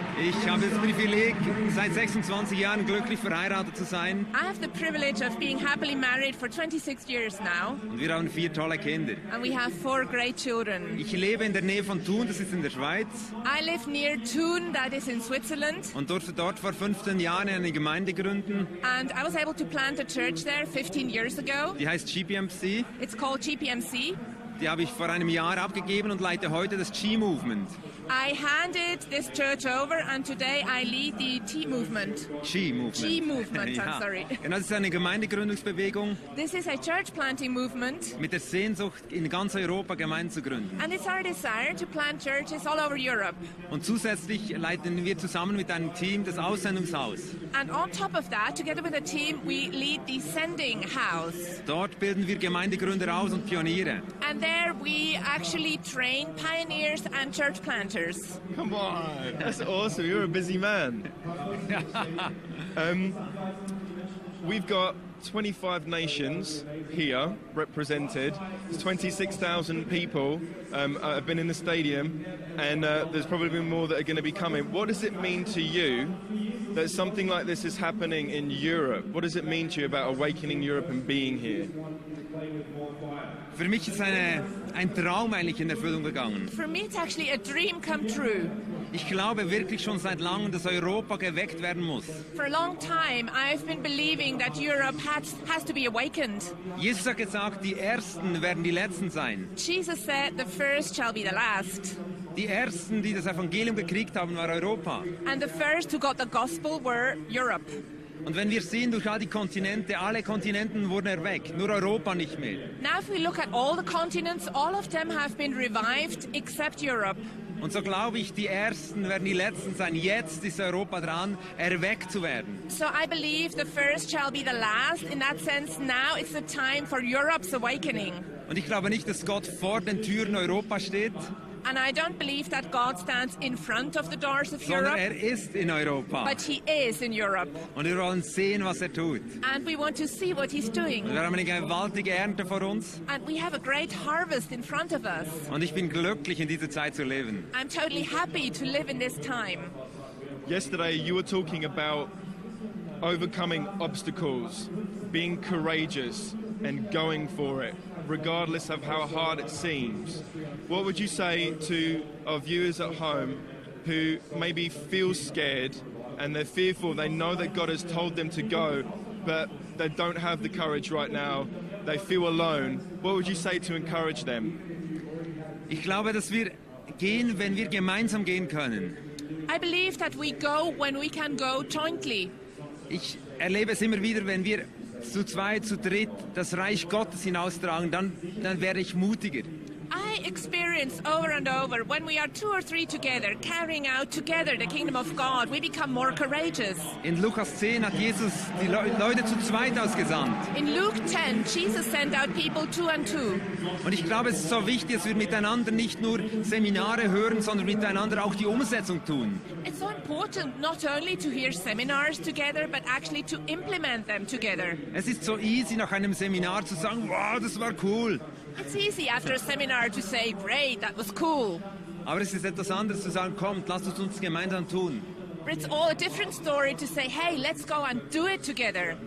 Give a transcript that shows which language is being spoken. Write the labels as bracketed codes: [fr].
[de] Ich habe das Privileg, seit 26 Jahren glücklich verheiratet zu sein. [en] I have the privilege of being happily married for 26 years now. [de] Und wir haben vier tolle Kinder. [en] And we have four great children. [de] Ich lebe in der Nähe von Thun, das ist in der Schweiz. [en] I live near Thun, that is in Switzerland. [de] Und durfte dort vor 15 Jahren eine Gemeinde gründen. [en] And I was able to plant a church there 15 years ago. [de] Die heißt GPMC. [en] It's called GPMC. [de] die habe ich vor einem Jahr abgegeben und leite heute das G-Movement. [en] I handed this church over and today I lead the G-Movement. [de] G-Movement, ja. Das ist eine Gemeindegründungsbewegung. [en] This is a church planting movement. [de] Mit der Sehnsucht, in ganz Europa Gemeinden zu gründen. [en] And it's our desire to plant churches all over Europe. [de] Und zusätzlich leiten wir zusammen mit einem Team das Aussendungshaus. [en] And on top of that, together with a team, we lead the sending house. [de] Dort bilden wir Gemeindegründer aus und Pioniere. [en] And there we actually train pioneers and church planters. Come on, that's awesome. You're a busy man. We've got 25 nations here represented. It's 26,000 people have been in the stadium, and there's probably been more that are going to be coming. What does it mean to you that something like this is happening in Europe? What does it mean to you about awakening Europe and being here? [de] Für mich ist ein Traum eigentlich in Erfüllung gegangen. [en] For me it's actually a dream come true. [de] Ich glaube wirklich schon seit langem, dass Europa geweckt werden muss. [en] For a long time I've been believing that Europe has to be awakened. [de] Jesus hat gesagt, die Ersten werden die Letzten sein. [en] Jesus said the first shall be the last. [de] Die Ersten, die das Evangelium gekriegt haben, war Europa. [en] And the first who got the gospel were Europe. [de] Und wenn wir sehen, durch all die Kontinente, alle Kontinenten wurden erweckt, nur Europa nicht mehr. [en] Now if we look at all the continents, all of them have been revived except Europe. [de] Und so glaube ich, die Ersten werden die Letzten sein. Jetzt ist Europa dran, erweckt zu werden. [en] So I believe the first shall be the last. In that sense, now it's the time for Europe's awakening. [de] Und ich glaube nicht, dass Gott vor den Türen Europa steht. [en] And I don't believe that God stands in front of the doors of Europe. [de] Sondern ist in Europa. [en] But he is in Europe. [de] Und wir wollen sehen, was tut. [en] And we want to see what he's doing. [de] Und wir haben eine gewaltige Ernte vor uns. [en] And we have a great harvest in front of us. [de] Und ich bin glücklich, in dieser Zeit zu leben. [en] I'm totally happy to live in this time. Yesterday you were talking about overcoming obstacles, being courageous and going for it, regardless of how hard it seems. What would you say to our viewers at home who maybe feel scared and they're fearful, they know that God has told them to go, but they don't have the courage right now, they feel alone? What would you say to encourage them? [de] Ich glaube, dass wir gehen, wenn wir gemeinsam gehen können. [en] I believe that we go when we can go jointly. [de] Ich erlebe es immer wieder, wenn wir zu zweit, zu dritt das Reich Gottes hinaustragen, dann werde ich mutiger. [en] I experience over and over, when we are two or three together, carrying out together the kingdom of God, we become more courageous. [de] In Lukas 10 hat Jesus die Leute zu zweit ausgesandt. [en] In Luke 10, Jesus sent out people two and two. [de] Und ich glaube, es ist so wichtig, dass wir miteinander nicht nur Seminare hören, sondern miteinander auch die Umsetzung tun. [en] It's so important not only to hear seminars together, but actually to implement them together. [de] Es ist so easy, nach einem Seminar zu sagen, wow, das war cool. [en] It's easy after a seminar to say, great, that was cool. [de] Aber es ist etwas anderes zu sagen, kommt, lasst es uns gemeinsam tun. [en] But it's all a different story to say, hey, let's go and do it together.